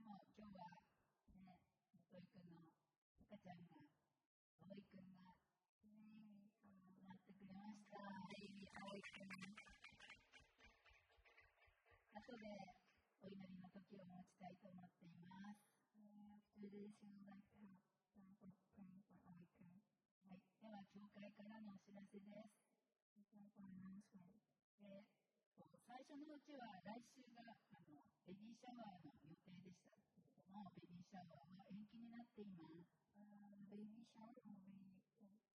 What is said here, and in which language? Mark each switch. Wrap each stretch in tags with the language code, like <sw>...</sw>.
<ja>でも今日はね、もといくんの赤ちゃんが、もといくんが待ってくれました。もといくん、あとでお祈りの時を持ちたいと思っています。</ja> <en>After this, you would like to have time for praying for</en> <ja>はい、では教会からのお知らせです。</ja> <en>Thank you for announcement.</en> <ja>最初のうちは来週がベビーシャワーの予定でしたけれども、ベビーシャワーは延期になっています。ベビーシャワーも延期と、</ja>